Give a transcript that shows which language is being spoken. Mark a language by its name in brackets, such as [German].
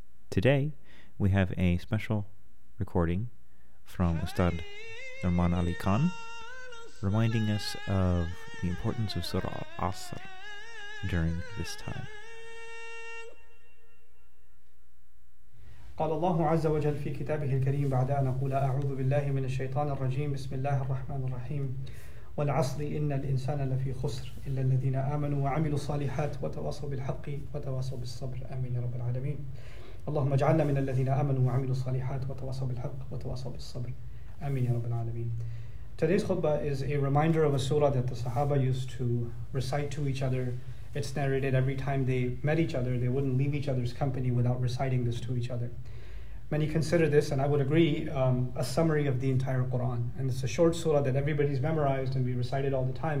[English] Today, we have a special recording from Ustad Norman Ali Khan, reminding us of the importance of Surah Al-Asr during this time. [Arabic] قال الله عز وجل في كتابه الكريم بعد أن أقول أعوذ بالله من الشيطان الرجيم بسم الله الرحمن الرحيم والعصر إن الإنسان لفي خسر إلا الذين آمنوا وعملوا الصالحات وتواصوا بالحق وتواصوا بالصبر آمين رب العالمين اللهم اجعلنا من الذين آمنوا وعملوا الصالحات وتواصوا بالحق وتواصوا بالصبر آمين يا رب العالمين. [English] Today's khutbah is a reminder of a surah that the Sahaba used to recite to each other. It's narrated every time they met each other, they wouldn't leave each other's company without reciting this to each other. Many consider this, and I would agree, a summary of the entire Quran. And it's a short surah that everybody's memorized and we recite it all the time.